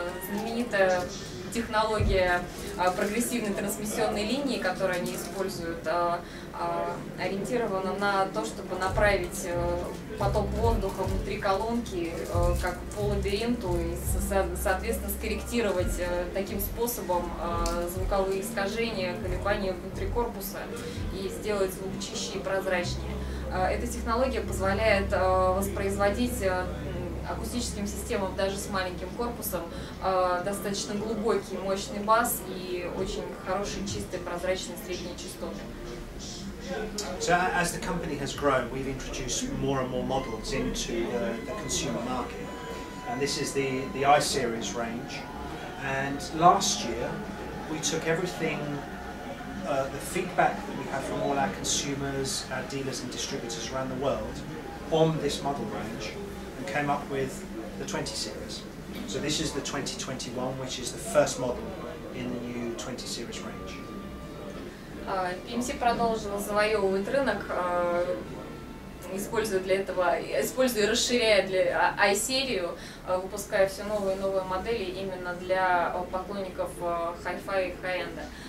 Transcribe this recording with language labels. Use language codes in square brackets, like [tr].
[ru] Знаменитая технология прогрессивной трансмиссионной линии, которую они используют, ориентирована на то, чтобы направить поток воздуха внутри колонки как по лабиринту и, соответственно, скорректировать таким способом звуковые искажения, колебания внутри корпуса и сделать звук чище и прозрачнее. Эта технология позволяет воспроизводить акустическим системам даже с маленьким корпусом достаточно глубокий мощный бас и очень хороший чистый прозрачный средний частоты. [en] So as the company has grown, we've introduced more and more models into the consumer market, and this is the I-Series range. And last year we took everything the feedback that we have from all our consumers, our dealers and distributors around the world on this model range and came up with the 20 series. So this is the 2021, which is the first model in the new 20 series range. [ru] PMC продолжила завоевывать рынок, используя и расширяя для i-серию, выпуская все новые и новые модели именно для поклонников хай-фай и хай-энда.